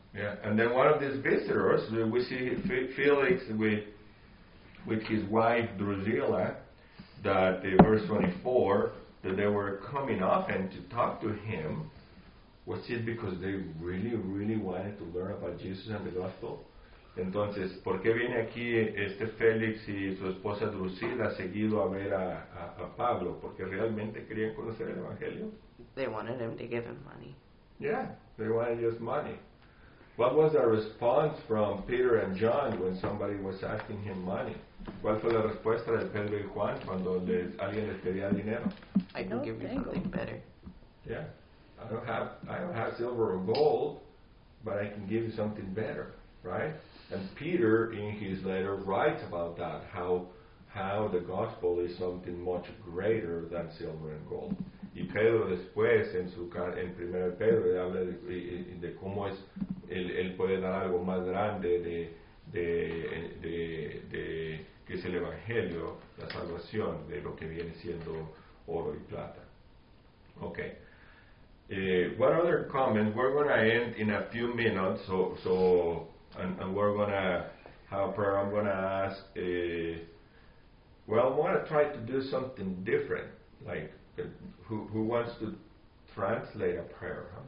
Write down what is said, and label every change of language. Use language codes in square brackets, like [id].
[en] Yeah, and then one of these visitors, we see Felix with his wife Drusilla, that verse 24, that they were coming up and to talk to him, was it because they really, really wanted to learn about Jesus and the gospel? [es] Entonces, ¿por qué viene aquí este Félix y su esposa Drusilla seguido a ver a Pablo? ¿Porque realmente querían conocer el evangelio? [en] They wanted him to give him money. Yeah, they wanted just money. What was the response from Peter and John when somebody was asking him money? [es] ¿Cuál fue la respuesta de Pedro y Juan cuando alguien les pedía dinero? [en] I can give you something better. Yeah. I don't have silver or gold, but I can give you something better, right? And Peter, in his letter, writes about that, how the gospel is something much greater than silver and gold. [es] Y Pedro después, en primer Pedro, habla de cómo es, él puede dar algo más grande de que es el evangelio, la salvación de lo que viene siendo oro y plata. [en] Okay. What other comments? We're going to end in a few minutes, so we're going to have a prayer. I'm going to ask, I want to try to do something different. Like, who wants to translate a prayer?